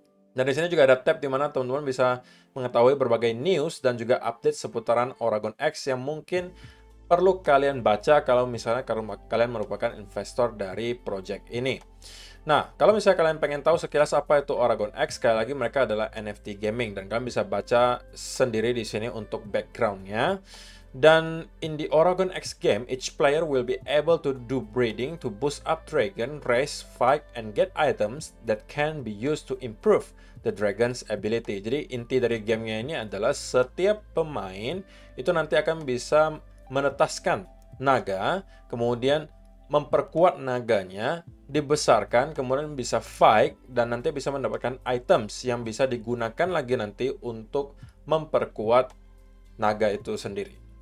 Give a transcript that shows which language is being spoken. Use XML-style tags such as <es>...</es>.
<id>Dan di sini juga ada tab di mana teman-teman bisa mengetahui berbagai news dan juga update seputaran Oregon X yang mungkin perlu kalian baca kalau misalnya kalian merupakan investor dari project ini. Nah, kalau misalnya kalian pengen tahu sekilas apa itu Oregon X, sekali lagi mereka adalah NFT gaming dan kalian bisa baca sendiri di sini untuk background-nya.</id> <en>Dan in the Oregon X game, each player will be able to do breeding to boost up dragon, raise, fight, and get items that can be used to improve the dragon's ability.</en> <id>Jadi inti dari gamenya ini adalah setiap pemain itu nanti akan bisa menetaskan naga, kemudian memperkuat naganya, dibesarkan, kemudian bisa fight, dan nanti bisa mendapatkan items yang bisa digunakan lagi nanti untuk memperkuat naga itu sendiri.</id>